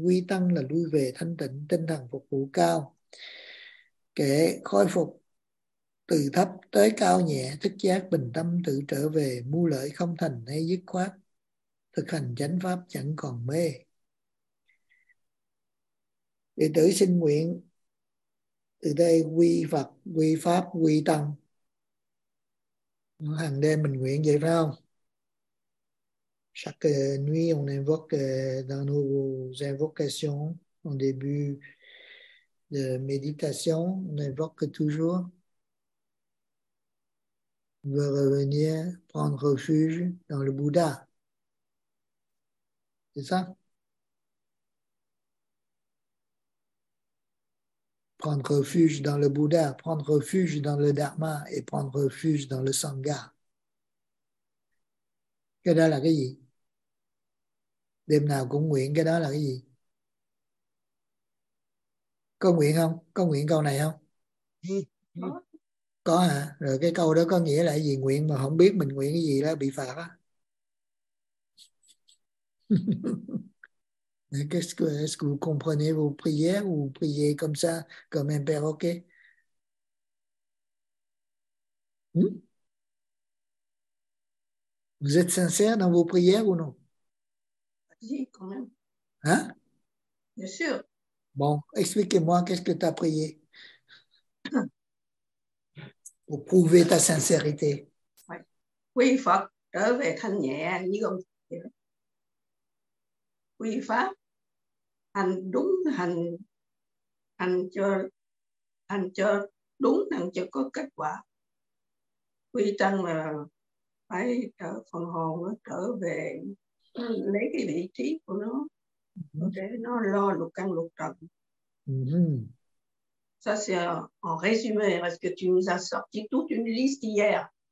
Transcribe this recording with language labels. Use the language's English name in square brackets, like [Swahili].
[Vietnamese] Quy tăng là lui về thanh tịnh, tinh thần phục vụ cao, kể khôi phục từ thấp tới cao nhẹ, thức giác bình tâm tự trở về, mưu lợi không thành hay dứt khoát, thực hành chánh pháp chẳng còn mê. Đệ tử xin nguyện từ đây quy Phật, quy pháp, quy tăng. Hàng đêm mình nguyện vậy phải không? [French] Chaque nuit on invoque dans nos invocations en début de méditation, on invoque toujours. Veut revenir prendre refuge dans le Bouddha. C'est ça? Prendre refuge dans le Bouddha, prendre refuge dans le Dharma et prendre refuge dans le Sangha. [Vietnamese] Cái đó là cái gì? Đêm nào cũng nguyện cái đó là cái gì? Có nguyện không? Có nguyện câu này không? Có hả? Rồi cái câu đó có nghĩa là gì? Nguyện mà không biết mình nguyện cái gì đó bị phạt á. [French] Est-ce que vous comprenez vos prières ou vous priez comme ça, comme un perroquet? Vous êtes sincère dans vos prières ou non? Oui, quand même. Hein? Bien sûr. Bon, expliquez-moi qu'est-ce que tu as prié. Pour prouver ta sincérité. [Vietnamese] Oui, Phật, trở về thanh nhẹ như con. Quy pháp, hành đúng, hành cho đúng, hành cho có kết quả. Quy tăng là phải trở phần hồn nó trở về, nó lấy cái vị trí của nó để nó lo lục căn lục trần. [French] Ça c'est en résumé parce que tu nous as sorti toute une liste hier.